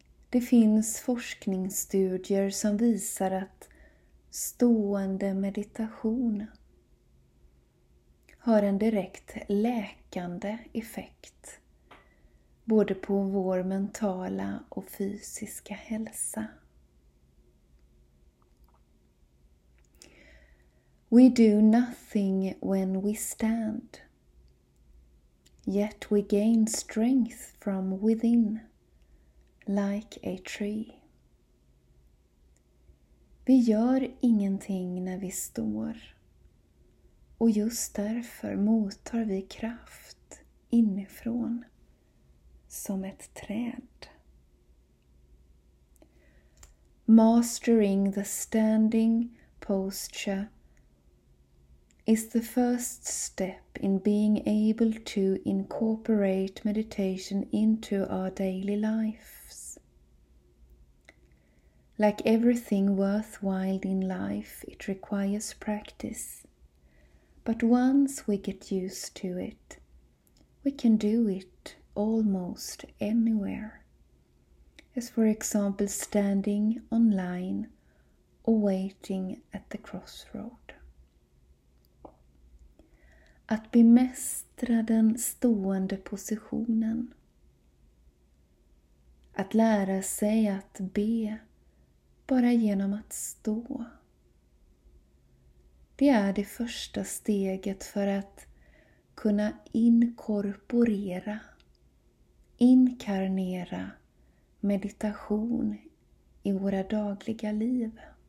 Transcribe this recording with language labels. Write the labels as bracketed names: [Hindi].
[Swedish] Det finns forskningsstudier som visar att stående meditation har en direkt läkande effekt både på vår mentala och fysiska hälsa. [English] We do nothing when we stand, yet we gain strength from within, like a tree. [Swedish] Vi gör ingenting när vi står, och just därför mottar vi kraft inifrån, som ett träd. [English] Mastering the standing posture is the first step in being able to incorporate meditation into our daily life. Like everything worthwhile in life, it requires practice. But once we get used to it, we can do it almost anywhere. As for example, standing online or waiting at the crossroad. [Swedish] Att bemästra den stående positionen. Att lära sig att be. Bara genom att stå. Det är det första steget för att kunna inkorporera, inkarnera meditation i våra dagliga liv.